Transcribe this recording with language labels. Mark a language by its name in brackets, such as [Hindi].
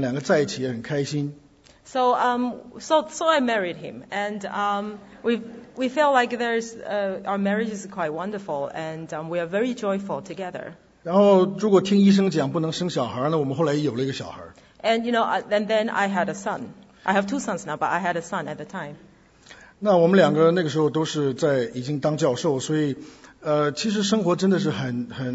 [Chinese] 怎么说呢，就是觉得很婚姻也很幸福啊，我们两个在一起也很开心。 [English] So so I married him, and we feel like there's our marriage is quite wonderful, and we are very joyful together. [Chinese] 然后如果听医生讲不能生小孩呢，我们后来有了一个小孩。 [English] And you know, and then I had a son. I have two sons now, but I had a son at the time. [Chinese] 那我们两个那个时候都是在已经当教授，所以其实生活真的是很。